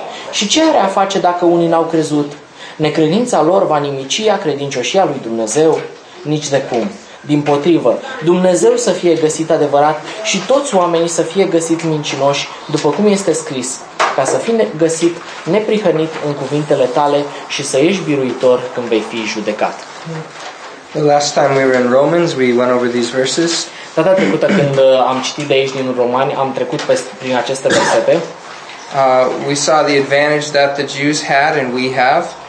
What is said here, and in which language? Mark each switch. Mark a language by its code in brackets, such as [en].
[ro] Și ce are a face dacă unii n-au crezut? Necredința lor va nimici credincioșia lui Dumnezeu? Nici de cum. Dimpotrivă, Dumnezeu să fie găsit adevărat și toți oamenii să fie găsit mincinoși, după cum este scris, ca să fii găsit neprihănit în cuvintele tale și să ieși biruitor când vei fi judecat. [en] The last time we were in Romans, we went over these verses. [ro] Data trecută când am citit de aici din Romani, am trecut prin aceste versete. [en] We saw the advantage that the Jews had and we have.